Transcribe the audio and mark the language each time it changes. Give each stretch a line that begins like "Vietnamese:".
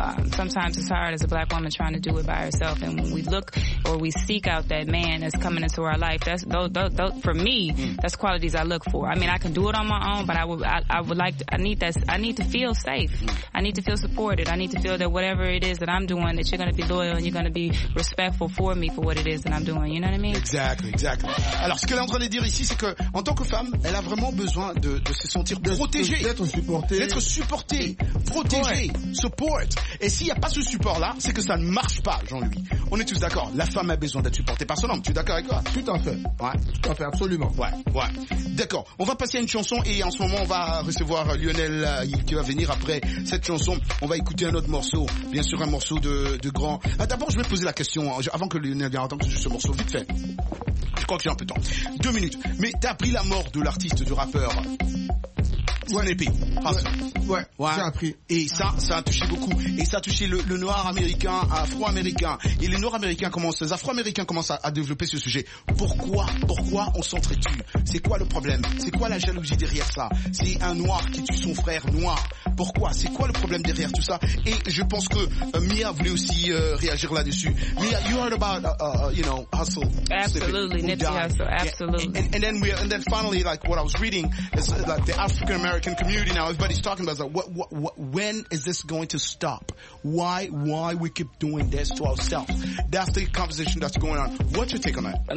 English: Sometimes it's hard as a black woman trying to do it by herself. And when we look or we seek out that man that's coming into our life, that's qualities I look for. I mean, I can do it on my own, but I need to feel safe. I need to feel supported. I need to feel that whatever it is that I'm doing, that you're going to be loyal and you're going to be respectful for me for what it is that I'm doing. You know what I mean? Exactly, exactly.
French: Alors, ce qu'elle est en train de dire ici, c'est que, en tant que femme, elle a vraiment besoin de se sentir protégée. D'être supportée. supporté. D'être supporté, protégé, support. Et s'il n'y a pas ce support-là, c'est que ça ne marche pas, Jean-Louis. On est tous d'accord. La femme a besoin d'être supportée par son homme. Tu es d'accord avec toi? Tout à fait. Ouais. Tout à fait, absolument. Ouais, ouais. D'accord. On va passer à une chanson et en ce moment, on va recevoir Lionel qui va venir après cette chanson. On va écouter un autre morceau. Bien sûr, un morceau de grand. D'abord, je vais poser la question. Avant que Lionel vienne, entendre juste ce morceau, vite fait. Je crois que j'ai un peu de temps. Deux minutes. Mais t'as appris la mort de l'artiste, du rappeur. Ouais. Snippy. Ouais. Ouais. J'ai appris. Et ça, ça a touché beaucoup. Et ça a touché le noir américain, afro-américain. Et les noirs américains commencent, les afro-américains commencent à développer ce sujet. Pourquoi? Pourquoi on s'entretue? C'est quoi le problème? C'est quoi la jalousie derrière ça? C'est un noir qui tue son frère noir. Pourquoi? C'est quoi le problème derrière tout ça? Et je pense que Mia voulait aussi réagir là-dessus.
English: Mia, you heard about, you know, hustle. Absolutely. Nipsey Hussle. Absolutely. And then we, and then finally, like what I was reading, is like the African American community now, everybody's talking about that. Like, what, when is this going to stop? Why we keep doing this to ourselves? That's the conversation that's going on. What's your take on that?